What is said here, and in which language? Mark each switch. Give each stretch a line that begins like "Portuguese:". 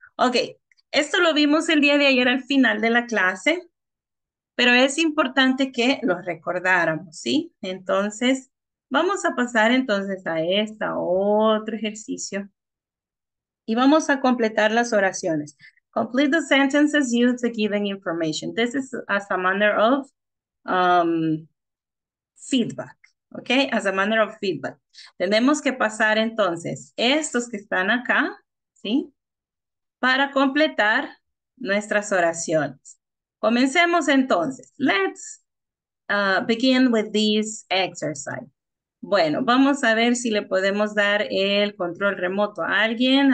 Spanish: Okay, esto lo vimos el día de ayer al final de la clase, pero es importante que lo recordáramos, ¿sí? Entonces, vamos a pasar entonces a este otro ejercicio y vamos a completar las oraciones.
English: Complete the sentences using the given information. This is as a manner of feedback, okay? As a manner of feedback.
Spanish: Tenemos que pasar entonces estos que están acá, ¿sí? Para completar nuestras oraciones. Comencemos entonces.
English: Let's begin with this exercise.
Spanish: Bueno, vamos a ver si le podemos dar el control remoto a alguien.